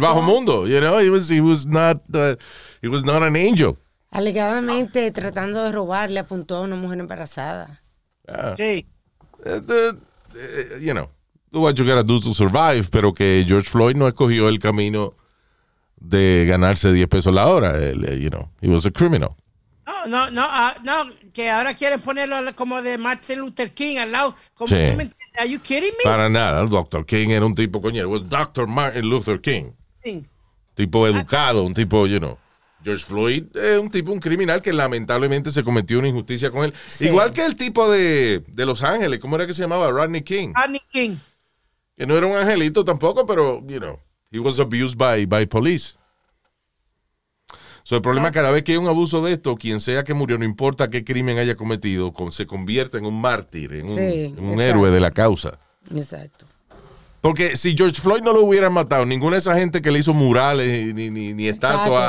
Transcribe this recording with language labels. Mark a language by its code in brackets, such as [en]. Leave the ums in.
[es] bajo mundo, [en] you know, he was, he was not, uh, he was not an angel. [es] Alegadamente tratando de robar, le apuntó a una mujer embarazada. Ah. Sí. Eh, eh, eh, [en] you know, do what you gotta do to survive, [es] pero que George Floyd no escogió el camino de ganarse 10 pesos la hora. [en] Él, eh, you know, he was a criminal. [es] No, no, no, ah, no, que ahora quieren ponerlo al- como de Martin Luther King al lado. Como Sí. tú me entiendes? [en] Are you kidding me? [es] Para nada, el Dr. King era un tipo coñero. [en] Was Dr. Martin Luther King. [es] Tipo educado, un tipo, you know. George Floyd es un tipo, un criminal que lamentablemente se cometió una injusticia con él. Sí. Igual que el tipo de, de Los Ángeles, ¿cómo era que se llamaba? Rodney King. Rodney King. Que no era un angelito tampoco, pero, [en] you know, he was abused by, by police. [es] So, el problema es que cada vez que hay un abuso de esto, quien sea que murió, no importa qué crimen haya cometido, con- se convierte en un mártir, en un, Sí, en un exacto. héroe de la causa. Exacto. Porque si George Floyd no lo hubieran matado, ninguna de esa gente que le hizo murales ni, ni, ni estatua Estatua.